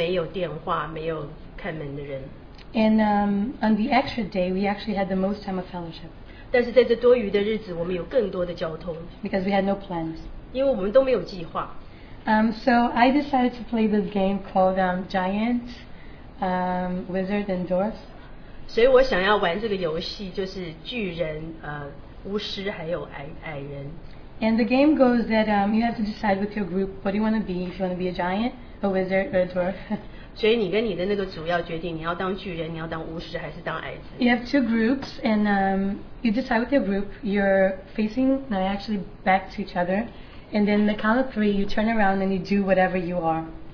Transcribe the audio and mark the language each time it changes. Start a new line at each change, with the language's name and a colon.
Chinese: 我们这个是在纽约上周，我们没有电话，没有看门的人。
English: And on the extra day, we actually had the most time of fellowship.
Chinese: 但是在这多余的日子，我们有更多的交通。
English: Because we had no plans.
Chinese: 因为我们都没有计划。
English: So I decided to play this game called Giant, Wizard, and Dwarf.
Chinese: 所以我想要玩这个游戏，就是巨人、巫师还有矮人。
English: And the game goes that you have to decide with your group what do you want to be, if you want to be a giant, a wizard, or a dwarf.
Chinese: 所以你跟你的那个组要决定你要当巨人、你要当巫师还是当矮子。
English: You have 2 groups, and you decide with your group. You're facing, no, actually back to each other, and then the count of 3, you turn around and you do whatever you are.